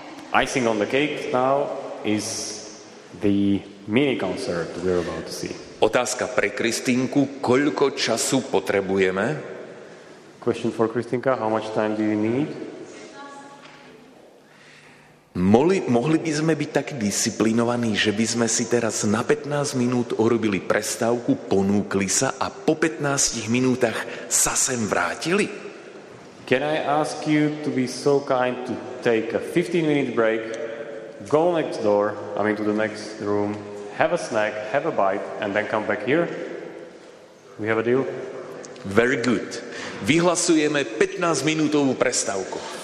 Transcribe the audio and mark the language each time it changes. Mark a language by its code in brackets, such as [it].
[en] Icing on the cake now is the mini concert we're about to see. [sk] Otázka pre Kristínku, koľko času potrebujeme? [en] Question for Kristinka, how much time do you need? [sk] Mohli by sme byť tak disciplinovaní, že by sme si teraz na 15 minút urobili prestávku, ponúkli sa a po 15 minútach sa sem vrátili? [en] Can I ask you to be so kind to take a 15 minute break, go next door, I mean to the next room, have a snack, have a bite and then come back here? We have a deal? Very good. [sk] Vyhlasujeme 15 minútovú prestávku.